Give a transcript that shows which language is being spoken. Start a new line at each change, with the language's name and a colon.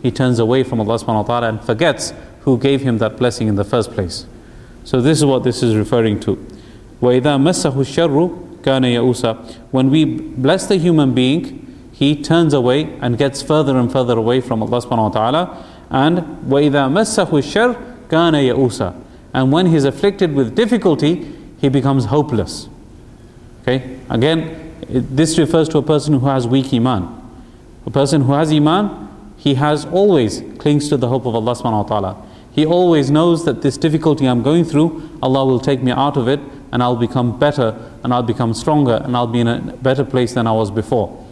English: He turns away from Allah subhanahu wa ta'ala and forgets who gave him that blessing in the first place. So this is what this is referring to.
Arabic: وَإِذَا مَسَّهُ الشَّرُّ كَانَ يَأُوسًا.
English: When we bless the human being, he turns away and gets further and further away from Allah subhanahu wa ta'ala.
Arabic: And وَإِذَا مَسَّهُ الشَّرُّ كَانَ يَأُوسًا.
English: And when he's afflicted with difficulty, he becomes hopeless. Okay? Again, this refers to a person who has weak iman. A person who has iman, he has always clings to the hope of Allah subhanahu wa ta'ala. He always knows that this difficulty I'm going through, Allah will take me out of it and I'll become better and I'll become stronger and I'll be in a better place than I was before.